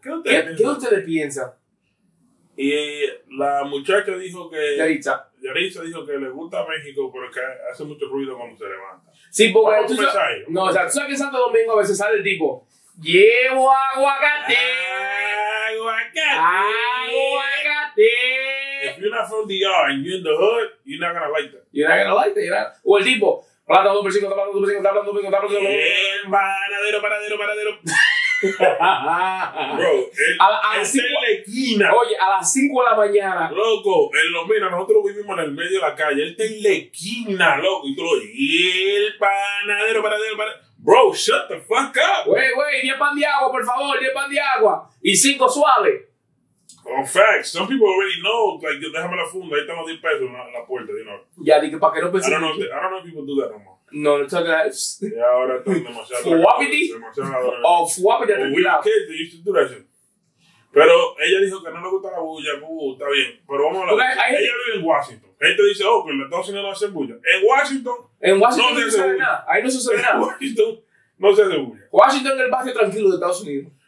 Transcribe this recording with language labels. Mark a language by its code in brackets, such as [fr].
[es] ¿qué ustedes piensan? Y la muchacha dijo que... Yaritza dijo que le gusta México, pero que hace mucho ruido cuando se levanta. Sí, porque... tú sabes que en Santo Domingo a veces sale el tipo, ¡llevo aguacate! ¡Aguacate! [en] If you're not from the yard and you're in the hood, you're not gonna like that. You're not gonna like that. [es] O el tipo, plata 2x5, plata 2x5, plata 2x5, plata 2x5. Panadero. Bro, a las 5 de la mañana. Loco, nosotros vivimos en el medio de la calle. Él está en la esquina, loco. Y tú lo el panadero. [en] Bro, shut the fuck up. [es] Wey, 10 pan de agua, por favor, 10 pan de agua. Y 5 suaves. [en] On facts, some people already know, like, [es] déjame la funda, ahí están los 10 pesos en la puerta, [en] you know. [es] Ya, dije, ¿para qué no pensé? [en] I don't know if people do that no more. No, it's like that. [es] Yeah, ahora están demasiado. Fuapiti. Oh, fuapiti. [en] Oh, we have kids, they used to do that shit. [es] Pero ella dijo que no le gusta la bulla, está bien, pero vamos a hablar. [en] Okay, [es] ella vive en Washington. Gente dice, oh, pero en Estados Unidos no hacen bulla. En Washington no se sabe nada. Ahí no se sabe nada. En Washington no se hace bulla. Washington es el barrio tranquilo de Estados Unidos.